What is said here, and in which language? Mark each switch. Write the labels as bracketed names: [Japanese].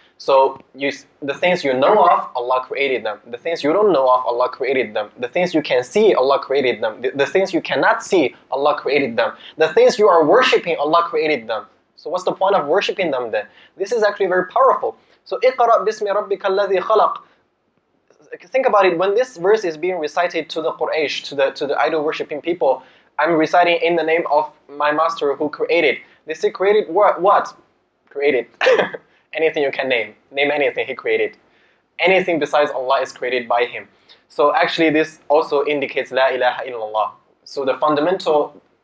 [English] So the things you know of, Allah created them. The things you don't know of, Allah created them. The things you can see, Allah created them. The things you cannot see, Allah created them. The things you are worshipping, Allah created them. So what's the point of worshipping them then? This is actually very powerful. [Arabic] So اقرأ بسم ربك الذي خلق. [English] Think about it, when this verse is being recited to the Quraysh, to the idol-worshipping people, I'm reciting in the name of my master who created. They say, created what? Created. Anything you can name. Name anything he created. Anything besides Allah is created by him. So actually this also indicates La ilaha illallah. So the fundamental